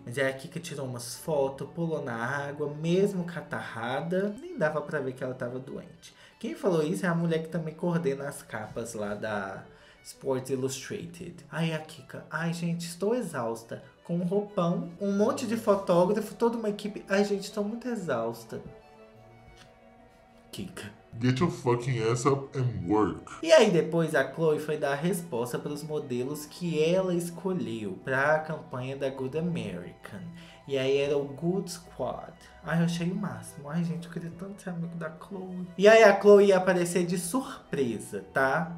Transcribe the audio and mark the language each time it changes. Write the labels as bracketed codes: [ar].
[pt] Mas aí a Kika tirou umas fotos, pulou na água, mesmo catarrada, nem dava pra ver que ela tava doente. Quem falou isso é a mulher que também coordena as capas lá da Sports Illustrated. Aí a Kika, ai gente, estou exausta. Com um roupão, um monte de fotógrafo, toda uma equipe. Ai gente, estou muito exausta. Kika. [en] Get your fucking ass up and work. [pt] E aí depois a Chloe foi dar a resposta para os modelos que ela escolheu para a campanha da Good American. E aí era o Good Squad. Ai, eu achei o máximo. Ai, gente, eu queria tanto ser amigo da Chloe. E aí a Chloe ia aparecer de surpresa, tá?